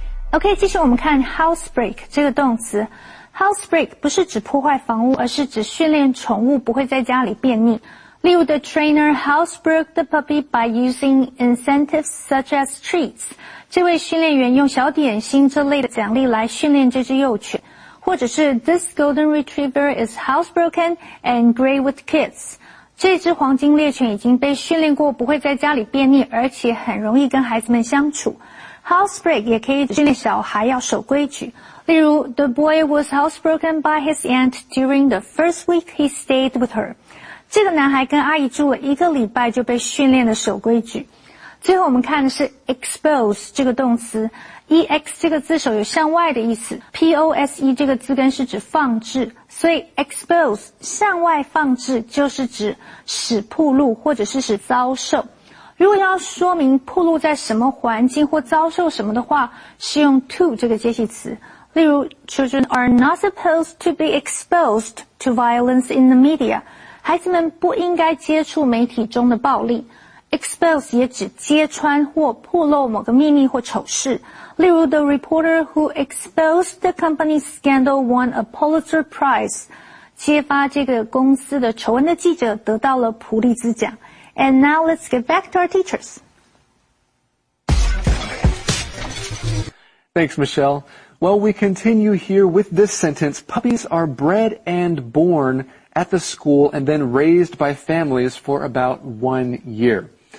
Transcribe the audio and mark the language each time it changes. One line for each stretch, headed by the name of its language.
Chinese: OK, 继续我们看 housebreak 这个动词。Housebreak 不是指破坏房屋，而是指训练宠物不会在家里便溺。例如
English: the trainer housebroke the puppy by using incentives such as treats.
Chinese: 这位训练员用小点心这类的奖励来训练这只幼犬。或者是
English: this golden retriever is housebroken and great with kids.
Chinese: 这只黄金猎犬已经被训练过不会在家里便溺，而且很容易跟孩子们相处。 Housebreak 也可以训练小孩要守规矩。例如
English: ,the boy was housebroken by his aunt during the first week he stayed with her.
Chinese: 这个男孩跟阿姨住了一个礼拜就被训练了守规矩。最后我们看的是 expose 这个动词。ex 这个字首有向外的意思。 pose 这个字根是指放置。所以 expose, 向外放置就是指使暴露或者是使遭受。如果要说明暴露在什么环境或遭受什么的话，是用 to 这个介系词。例如
English: ,children are not supposed to be exposed to violence in the media.
Chinese: 孩子们不应该接触媒体中的暴力。 Expose 也指揭穿或暴露某个秘密或丑事。例如
English: ,the reporter who exposed the company's scandal won a Pulitzer Prize.
Chinese: 揭发这个公司的丑闻的记者得到了普利兹奖。
English: And now let's get back to our teachers. Thanks, Michelle. Well, we continue here with this sentence. Puppies are bred and born at the school and then raised by families for about 1 year.